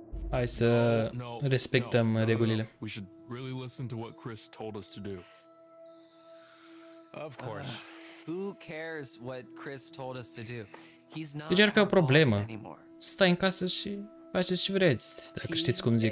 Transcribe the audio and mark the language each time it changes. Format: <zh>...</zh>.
<ro>Hai să respectăm regulile.</ro> <en>We should really listen to what Chris told us to do. Of course. Who cares what Chris told us to do? He's not.</en> <ro>Deci ar fi o problemă. Stai în casă și faceți ce vreți, dacă știți cum zic.</ro>